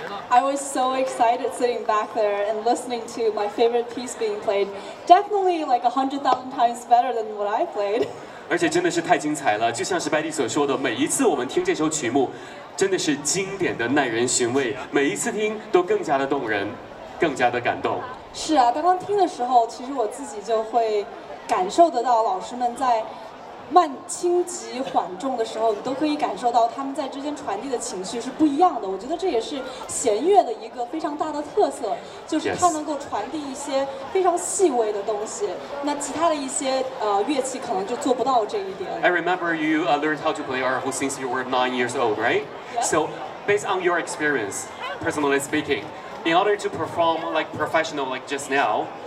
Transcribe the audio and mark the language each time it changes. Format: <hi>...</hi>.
<en>I was so excited sitting back there and listening to my favorite piece being played. Definitely like 100,000 times better than what I played.</en> <zh>而且真的是太精彩了，就像是 Betty 所说的，每一次我们听这首曲目，真的是经典的耐人寻味，每一次听都更加的动人，更加的感动。是啊，刚刚听的时候，其实我自己就会感受得到老师们在慢轻急缓重的时候，你都可以感受到他们在之间传递的情绪是不一样的。我觉得这也是弦乐的一个非常大的特色，就是它能够传递一些非常细微的东西。那其他的一些乐器可能就做不到这一点。</zh> <en>I remember you learned how to play our whole since you were 9 years old, right? So based on your experience, personally speaking, in order to perform like professional like just now.</en>